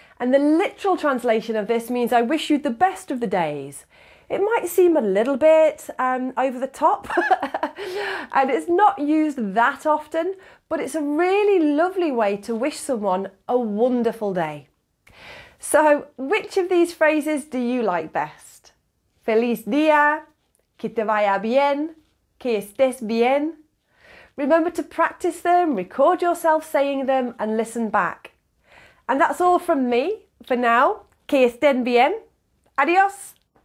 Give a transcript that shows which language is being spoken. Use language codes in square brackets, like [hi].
[en] And the literal translation of this means I wish you the best of the days. It might seem a little bit over the top and it's not used that often, but it's a really lovely way to wish someone a wonderful day. So which of these phrases do you like best? [es] Feliz día, que te vaya bien, que estés bien. [en] Remember to practice them, record yourself saying them and listen back. And that's all from me for now. [es] Que estén bien. Adiós.